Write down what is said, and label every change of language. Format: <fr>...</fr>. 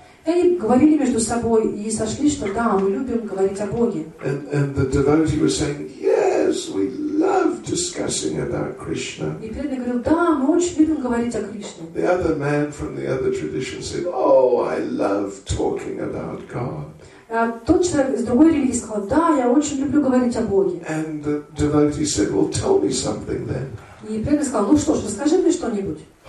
<ru>И они говорили между собой и сошли, что да, мы любим говорить о Боге.</ru> <en>And the devotee was saying, yes, we love discussing about Krishna.</en> <ru>И преданный говорил, да, мы очень любим говорить о Кришне.</ru> <en>The other man from the other tradition said, oh, I love talking about God.</en> <ru>Тот человек из другой религии сказал, да, я очень люблю говорить о Боге.</ru> <en>And the devotee said, well, tell me something then.</en> <ru>И преданный сказал, ну что ж, расскажи мне что-нибудь.</ru>